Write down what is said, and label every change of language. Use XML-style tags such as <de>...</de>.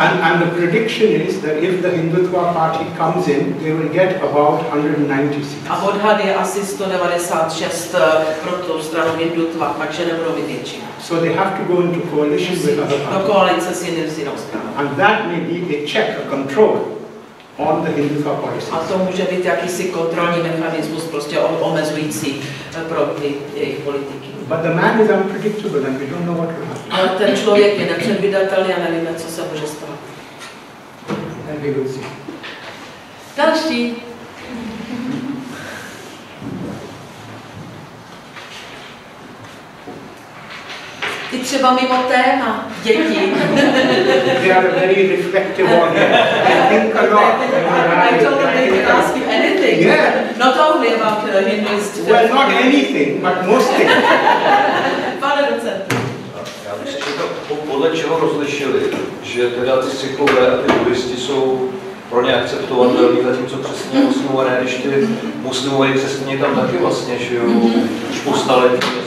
<en>And the prediction is that if the Hindutva party comes in, they will get about 196.</en> <cs>A odhad je asi 196 pro tu stranu Hindutva, takže nebudou mít většinu.</cs> <en>So they have to go into coalition with other parties.</en> <cs>Do koalice s jiným stranou.</cs> <en>And that may be a check, a control on the Hindutva policy.</en> <cs>A to může být jakýsi kontrolní mechanismus, prostě omezující pro ty jejich politiky.</cs> <en>But the man is unpredictable and we don't know what will happen.</en> <cs>Ale ten člověk je nepředvídatelný a nevíme, co se může stát.</cs> <en>And we will see.</en> <cs>Další. Ty třeba mimo téma, děti.</cs> <en>They are very reflective on that. I think a lot. I told them they can ask you anything. Yeah. Not only about Hinduism. Well, not anything, but most things.</en> <cs>Pane docente. Já bych si říkal, podle čeho rozlišili, že teda ty cyklové a ty budisti jsou pro ně akceptovatelný, zatímco přesně muslimové, ne, když ty muslimové přesně tam taky vlastně, že jo, už po staletí.</cs>